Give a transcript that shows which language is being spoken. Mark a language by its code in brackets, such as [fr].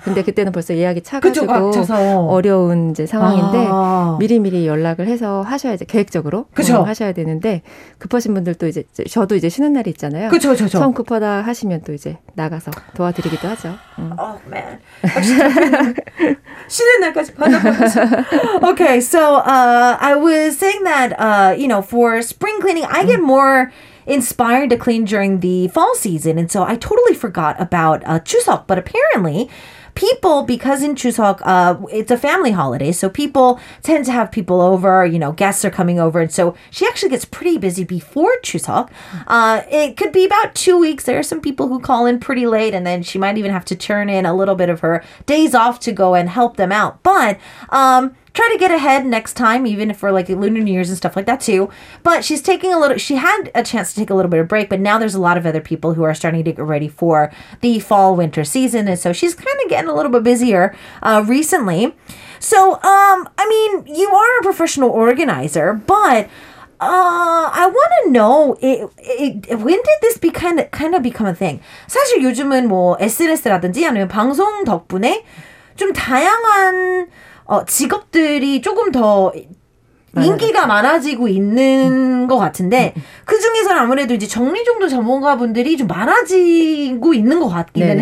[ko] 근데 그때는 벌써 예약이 차가지고 그쵸, 어려운 이제 상황인데 미리미리 연락을 해서 하셔야 이제 계획적으로 하셔야 되는데 급하신 분들도 이제 저도 이제 쉬는 날이 있잖아요. 그렇죠. 처음 급하다 하시면 또 이제 나가서 도와드리기도 하죠. [en] Okay, so I was saying that, you know, for spring cleaning, I get more inspired to clean during the fall season. And so I totally forgot about Chuseok. But apparently, people, because in Chuseok, it's a family holiday. So people tend to have people over, you know, guests are coming over. And so she actually gets pretty busy before Chuseok. It could be about 2 weeks. There are some people who call in pretty late. And then she might even have to turn in a little bit of her days off to go and help them out. But try to get ahead next time, even if we're like Lunar New Year's and stuff like that too. But she's taking she had a chance to take a little bit of break, but now there's a lot of other people who are starting to get ready for the fall winter season. And so she's kind of getting a little bit busier recently. So, I mean, you are a professional organizer, but I want to know, when did this kind of become a thing? [ko] 사실 요즘은 뭐 SNS라든지 아니면 방송 덕분에 좀 다양한 직업들이 조금 더 인기가 많아지고 있는 것 같은데 그 중에서는 아무래도 이제 정리정돈 전문가분들이 좀 많아지고 있는 것 같기는